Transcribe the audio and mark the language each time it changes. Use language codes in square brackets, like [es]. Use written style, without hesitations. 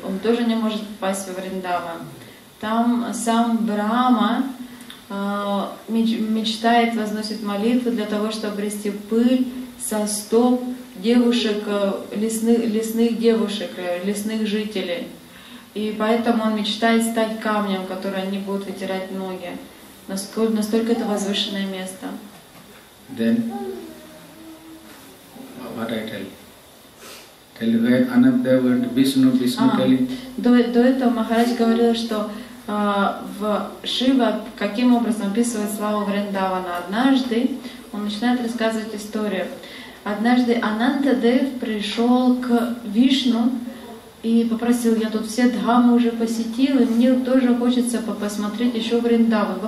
[ru] Он тоже не может попасть во Вриндаван. Там сам Брахма мечтает, возносит молитвы для того, чтобы обрести пыль со стоп девушек, лесных девушек, лесных жителей. И поэтому он мечтает стать камнем, который они будут вытирать ноги. Настолько это возвышенное место. [en] Then, what I tell? Tell you where another word, Vishnu, Vishnu telling. [ru] До этого Махарадж говорил, что в Шива каким образом описывает славу Вриндавана. Однажды он начинает рассказывать историю. Однажды Анантадев пришел к Вишну и попросил: я тут все дхамы уже посетил, и мне тоже хочется посмотреть еще Вриндаван.